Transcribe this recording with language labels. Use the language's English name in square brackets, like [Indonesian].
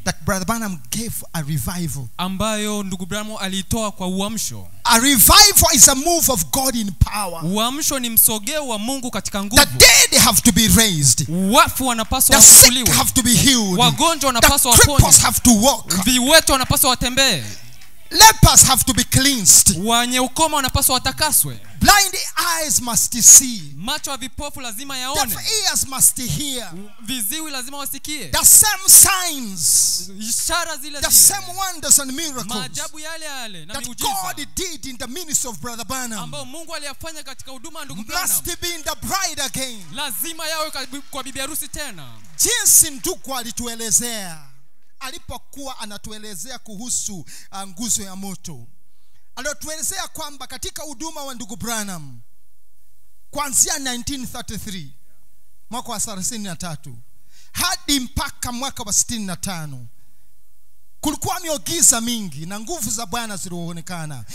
[English] That Brother Branham gave a revival. [Swahili] Ambayo ndugu Branham alitoa kwa uamsho. [English] A revival is a move of God in power. [Swahili] Uamsho ni msogeo wa Mungu katika nguvu. [English] The dead have to be raised. [Swahili] Wafu wanapaswa kufufuliwa. [English] The sick have to be healed. [Swahili] Wagonjwa wanapaswa kuponywa. [English] The cripples have to walk. [Swahili] Viwete wanapaswa watembee. [English] Lepers have to be cleansed. [Swahili] Wenye ukoma wanapaswa watakaswe. [English] Blind eyes must see. [Swahili] Macho ya vipofu lazima yaone. [English] Deaf ears must hear. [Swahili] Viziwi lazima wasikie. [English] The same signs. [Swahili] Ishara zile zile. [English] The same wonders and miracles. [Swahili] Maajabu yale yale na miujiza. [English] That God did in the ministry of Brother Branham. [Swahili] Ambao Mungu aliyafanya katika huduma ndugu Branham. [English] Must be in the bride again. [Swahili] Lazima yawe kwa bibi harusi tena. Jinsi ndugu alituelezea alipokuwa anatuelezea kuhusu nguzo ya moto, alituelezea kwamba katika huduma wa ndugu Branham kuanzia 1933 mwaka wa 33 hadi mpaka mwaka wa 65, kulikuwa miogiza mingi na nguvu za Bwana zilionekana.